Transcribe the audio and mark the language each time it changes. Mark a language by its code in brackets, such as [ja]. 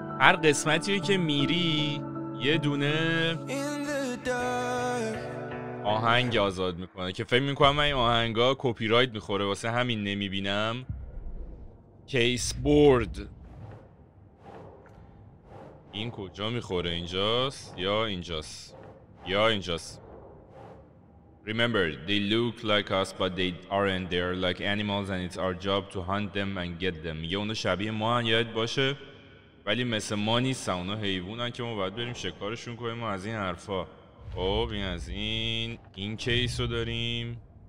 [fa] هر قسمتی که میری یه دونه آهنگ آزاد میکنه، که فکر میکنم این آهنگا کپی رایت میخوره، واسه همین نمیبینم. کیس بورد. این کجا میخوره؟ اینجاست یا اینجاست یا اینجاست. [en] Remember they look like us but they aren't, they are like animals and it's our job to hunt them and get them. [fa] میگه اونا شبیه ما هن، یاد باشه، ولی مثل ما نیستن، اونا حیوان هن که ما باید بریم شکارشون کنیم. ما از این حرفا. خب این از این کیس رو داریم.